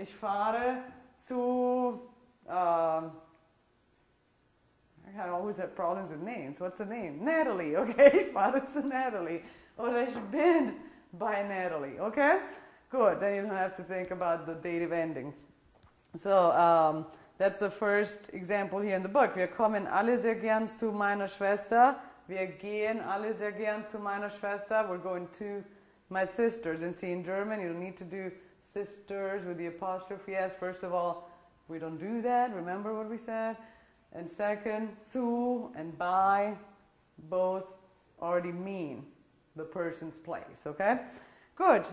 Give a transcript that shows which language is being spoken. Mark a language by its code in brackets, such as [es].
[de] Ich fahre zu... [en] I always have problems with names. What's the name? Natalie. Okay? [de] Ich fahre zu Natalie. Oder ich bin bei Natalie. Okay? [en] Good, then you don't have to think about the dative endings. So, that's the first example here in the book. [de] Wir kommen alle sehr gern zu meiner Schwester. Wir gehen alle sehr gern zu meiner Schwester. [en] We're going to my sisters. And see, in German, you don't need to do sisters with the apostrophe S. First of all, we don't do that. Remember what we said? And second, zu and by both already mean the person's place, okay? Good.